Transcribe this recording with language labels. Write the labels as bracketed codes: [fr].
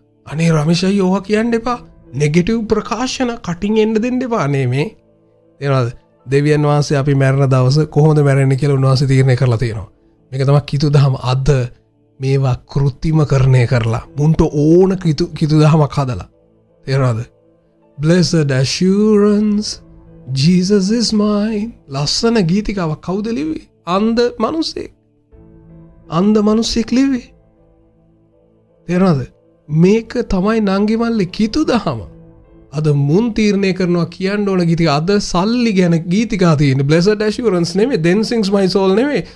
[si] අනේ රමේෂ් අයියෝ ඔහා කියන්න එපා. නෙගටිව් ප්‍රකාශන කටින් එන්න දෙන්න එපා. අනේ මේ තේරෙනවද? දෙවියන් වහන්සේ අපි මැරෙන දවස කොහොමද මැරෙන්නේ කියලා උන්වහන්සේ තීරණය කරලා තියෙනවා. මේක තමයි කිතුදහම. අද මේවා කෘත්‍රිමකරණය කරලා මුන්ට ඕන කිතුදහමක් හදලා. තේරෙනවද? [en] Blessed assurance Jesus is mine. [si] ලස්සන ගීතිකාවක් කවුද ලිව්වේ? අන්ධ මිනිස්සෙක්. අන්ධ මිනිස්සෙක් ලිව්වේ. තේරෙනවද? මේක තමයි නංගි මල්ලේ කිතුදහම. අද මුන් තීරණය කරනවා කියන්න ඕන ගීතික. අද සල්ලි ගැන ගීතිකා තියෙන. Blessed assurance නෙමෙයි, [en] then sings my soul [si] නෙමෙයි.